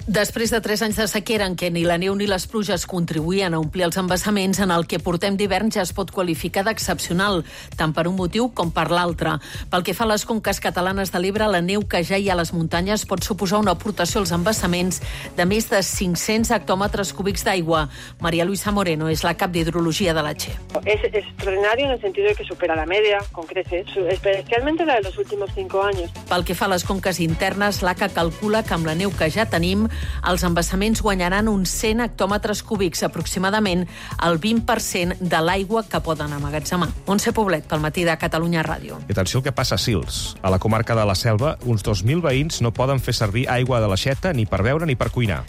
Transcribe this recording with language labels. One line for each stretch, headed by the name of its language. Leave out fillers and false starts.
Catalan: Després de 3 anys de sequera en què ni la neu ni les pluges contribuïen a omplir els embassaments, en el que portem d'hivern ja es pot qualificar d'excepcional, tant per un motiu com per l'altre. Pel que fa a les conques catalanes de l'Ebre, la neu que ja hi ha a les muntanyes pot suposar una aportació als embassaments de més de 500 hectòmetres cúbics d'aigua. María Luisa Moreno és la cap d'hidrologia de la Che.
Spanish: Es extraordinario en el sentido de que supera la media, con creces, especialmente la de los últimos 5 años.
Catalan: Pel que fa a les conques internes, l'ACA calcula que amb la neu que ja tenim, els embassaments guanyaran uns 100 hectòmetres cúbics, aproximadament el 20% de l'aigua que poden amagatzemar. Montse Poblet, pel matí de Catalunya Ràdio. I atenció al que passa a Sils. A la comarca de la Selva, uns 2.000 veïns no poden fer servir aigua de l'aixeta ni per beure ni per cuinar.